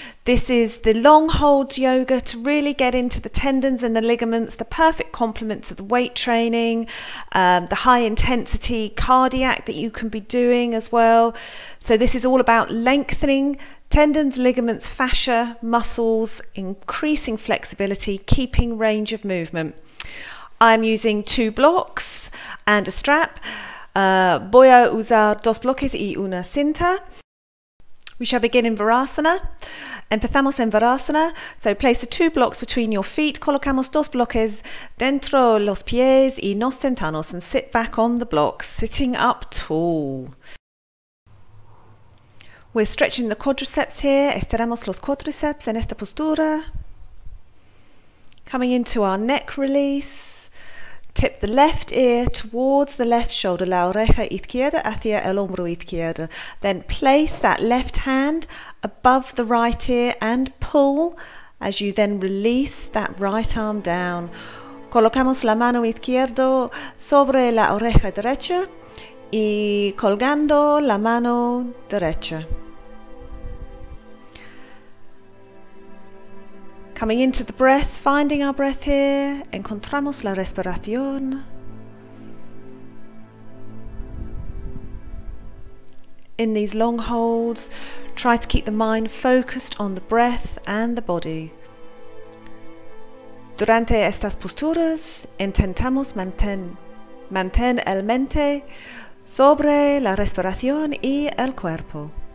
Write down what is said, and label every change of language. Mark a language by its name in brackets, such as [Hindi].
[English] This is the long hold yoga to really get into the tendons and the ligaments, the perfect complements of the weight training, the high intensity cardiac that you can be doing as well. So this is all about lengthening tendons, ligaments, fascia, muscles, increasing flexibility, keeping range of movement. I'm using two blocks and a strap. [Spanish] Voy a usar dos bloques y una cinta. [English] We shall begin in Virasana. [Spanish] Empezamos en Virasana. [English] So place the two blocks between your feet. [Spanish] Colocamos dos bloques dentro los pies y nos sentamos [English] and sit back on the blocks, sitting up tall. We're stretching the quadriceps here. [Spanish] Estiramos los cuádriceps en esta postura. [English] Coming into our neck release. Tip the left ear towards the left shoulder. [Spanish] La oreja izquierda hacia el hombro izquierdo. [English] Then place that left hand above the right ear and pull as you then release that right arm down. [Spanish] Colocamos la mano izquierda sobre la oreja derecha y colgando la mano derecha. [English] Coming into the breath, finding our breath here. [Spanish] Encontramos la respiración. [English] In these long holds, try to keep the mind focused on the breath and the body. [Spanish] Durante estas posturas, intentamos mantener el mente sobre la respiración y el cuerpo.